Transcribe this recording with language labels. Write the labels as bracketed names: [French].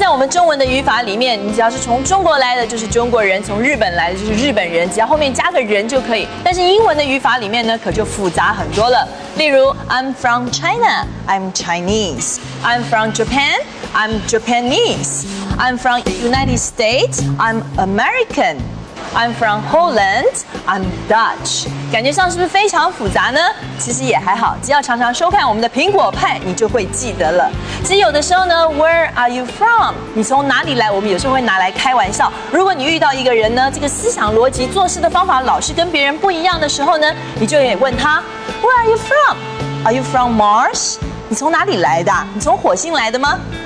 [Chinese] 中文的语法里面，你只要是从中国来的就是中国人，从日本来的就是日本人，只要后面加个人就可以。但是英文的语法里面呢，可就复杂很多了。例如 [English] I'm from China, I'm Chinese. I'm from Japan, I'm Japanese. I'm from United States, I'm American. I'm from Holland, I'm Dutch. [Chinese] 感觉上是不是非常复杂呢？其实也还好，只要常常收看我们的苹果派，你就会记得了。其实有的时候呢 ， [English] Where are you from？ [Chinese] 你从哪里来？我们有时候会拿来开玩笑。如果你遇到一个人呢，这个思想逻辑、做事的方法老是跟别人不一样的时候呢，你就可以问他 ， [English] Where are you from？ Are you from Mars？ [Chinese] 你从哪里来的？你从火星来的吗？